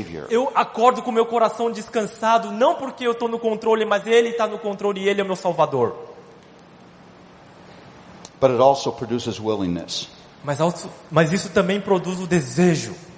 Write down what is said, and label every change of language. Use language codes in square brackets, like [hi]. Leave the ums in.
[pt] Eu acordo com meu coração descansado, não porque eu estou no controle, mas porque Deus é glorioso e Ele é meu Salvador. [en] But it also produces willingness. [pt] Mas, also, mas, isso também produz o desejo.